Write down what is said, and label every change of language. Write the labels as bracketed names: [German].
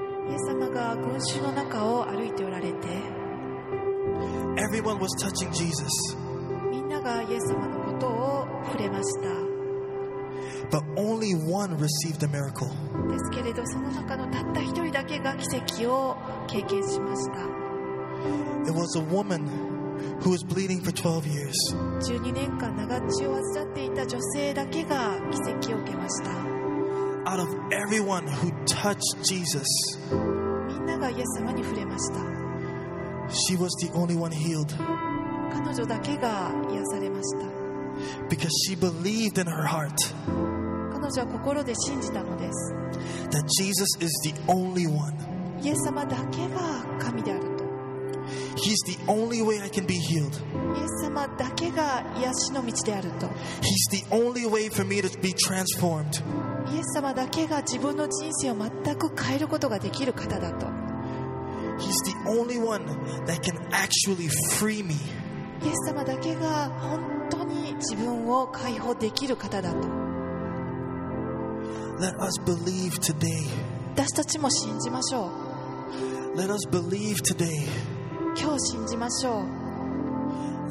[Japanese] イエス様が群衆の中を歩いておられて、 [English] Everyone was touching Jesus. [Japanese] みんながイエス様のことを触れました。 [English] But only one received a miracle. [Japanese] ですけれど、その中のたった一人だけが奇跡を経験しました。 [English] It was a woman who was bleeding for 12 years. [Japanese] 12年間長血を患っていた女性だけが奇跡を受けました。 [English] Out of everyone who touched Jesus, [Japanese] みんながイエス様に触れました。 [English] She was the only one healed. [Japanese] 彼女だけが癒されました。 [English] Because she believed in her heart. [Japanese] 彼女は心で信じたのです。 [English] That Jesus is the only one. [Japanese] イエス様だけが神である。 [English] He's the only way I can be healed. [Japanese] イエス様だけが癒しの道であると。 [English] He's the only way for me to be transformed. [Japanese] イエス様だけが自分の人生を全く変えることができる方だと。 [English] He's the only one that can actually free me. [Japanese] イエス様だけが本当に自分を解放できる方だと。 [English] Let us believe today. [Japanese] 私たちも信じましょう。 [English] Let us believe today. [Japanese] 今日信じましょう。